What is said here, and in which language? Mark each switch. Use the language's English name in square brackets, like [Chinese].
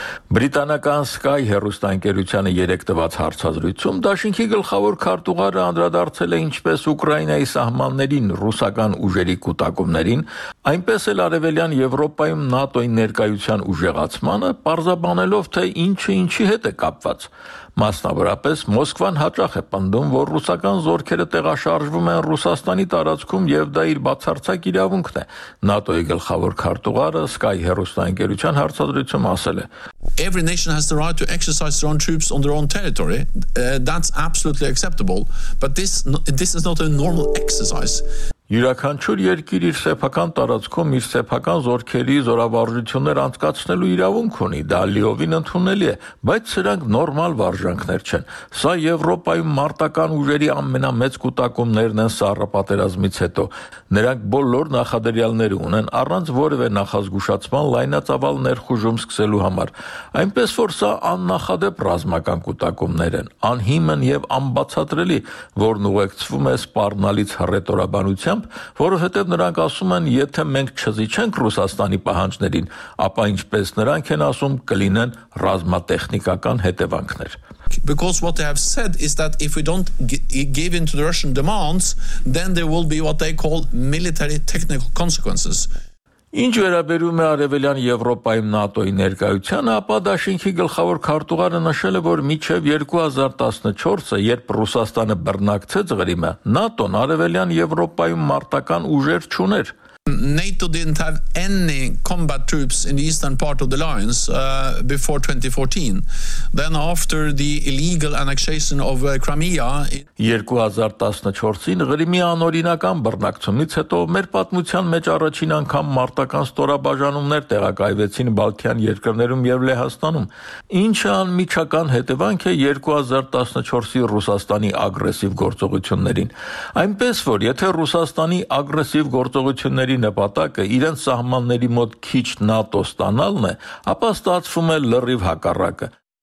[Armenian] Բրիտանական Sky հեռուստաընկերությանը երեկ տված հարցազրույցում դաշինքի գլխավոր քարտուղարը անդրադարձել է ինչպես Ուկրաինայի սահմաններին ռուսական ուժերի կուտակումներին, այնպես էլ արևելյան Եվրոպայում ՆԱՏՕ-ի ներկայության ուժեղացմանը, պարզաբանելով, թե ինչը ինչի հետ է կապված։ Մասնավորապես Մոսկվան հաճախ է պնդում, որ ռուսական զորքերը տեղաշարժվում են Ռուսաստանի տարածքում եւ դա իր բացարձակ իրավունքն է։ ՆԱՏՕ-ի գլխավոր քարտուղարը Sky հեռուստաընկերության հարցադրությամբ ասել է. [English] Every nation has the right to exercise their own troops on their own territory. That's absolutely acceptable, but this is not a normal exercise. [Armenian] Յուրաքանչյուր երկիր իր սեփական տարածքում իր սեփական զորքերի զորավարժություններ անցկացնելու իրավունք ունի, դա լիովին ընդունելի է, բայց սրանք նորմալ վարժանքներ չեն։ Սա Եվրոպայում մարտական ուժերի ամենամեծ կուտակումներն են Սառը պատերազմից հետո։ Նրանք բոլոր նախադրյալները ունեն առանց որևէ նախազգուշացման լայնածավալ ներխուժում սկսելու համար, այնպես որ սա աննախադեպ ռազմական կուտակումներ են, անհիմն եւ անբացատրելի, որն ուղեկցվում է սպառնալից հռետորաբանության, որովհետև նրանք ասում են, եթե մենք չզիջենք Ռուսաստանի պահանջներին, ապա ինչպես նրանք են ասում, կլինեն ռազմատեխնիկական հետևանքներ։ [English] Because what they have said is that if we don't give in to the Russian demands, then there will be what they call military technical consequences. [Armenian] Ինչ վերաբերում է արևելյան Եվրոպայում ՆԱՏՕ-ի ներկայությանը, ապա Դաշինքի գլխավոր քարտուղարը նշել է, որ միջև 2014-ը, երբ Ռուսաստանը բռնակցեց Ղրիմը, ՆԱՏՕ-ն արևելյան Եվրոպայում մարտական ուժեր չուներ. [English] NATO didn't have any combat troops in the eastern part of the alliance before 2014. Then after the illegal annexation of Crimea, [Armenian] 2014-ին Ղրիմի անօրինական բռնակցումից հետո մեր պատմության մեջ առաջին անգամ մարտական ստորաբաժանումներ տեղակայվեցին Բալթյան երկրներում եւ Լեհաստանում, ինչը անմիջական հետևանք է 2014-ի Ռուսաստանի ագրեսիվ գործողություններին։ Այնպես որ, եթե Ռուսաստանի ագրեսիվ գործողությունների նպատակը իրեն սահմանների մոտ քիչ ՆԱՏՕ ստանալն է, ապա ստացվում է լրիվ հակառակը։